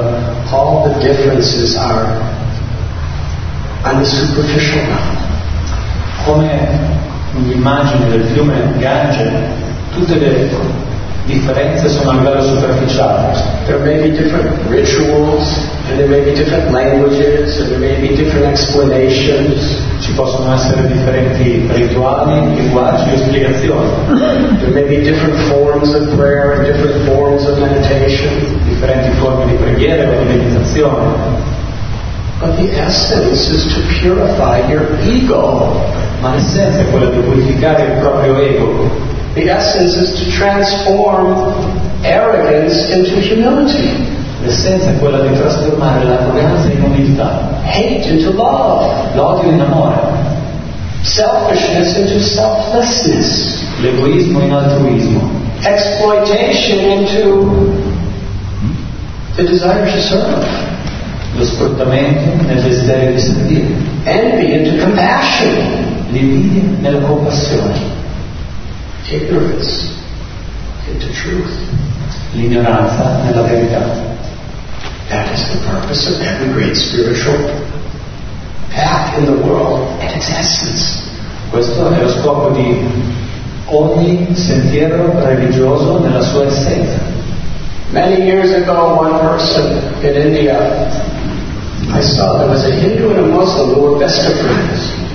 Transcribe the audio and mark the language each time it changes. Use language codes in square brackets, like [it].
[en] All the differences are on the superficial level. [it] Come l'immagine del fiume Gange, tutte le differenze sono a livello superficiale. [en] There may be different rituals, and there may be different languages, and there may be different explanations. [it] Ci possono essere differenti rituali, linguaggi e spiegazioni. [en] There may be different forms of prayer, different forms of meditation. [it] Differenti forme di preghiera o di meditazione. [en] But the essence is to purify your ego. [it] Ma l'essenza è quella di purificare il proprio ego. [en] The essence is to transform arrogance into humility. [it] L'essenza è quella di trasformare l'arroganza in umiltà. [en] Hate into love. [it] L'odio in amore. [en] Selfishness into selflessness. [it] L'egoismo in altruismo. [en] Exploitation into the desire to serve. [it] Lo sfruttamento nel desiderio di servire. [en] Envy into compassion. [it] L'invidia nella compassione. [en] Ignorance into truth. [it] L'ignoranza nella verità. [en] That is the purpose of every great spiritual path in the world and its essence. [it] Questo è lo scopo di ogni sentiero religioso nella sua essenza. [en] Many years ago, one person in India, I saw there was a Hindu and a Muslim who were best of friends.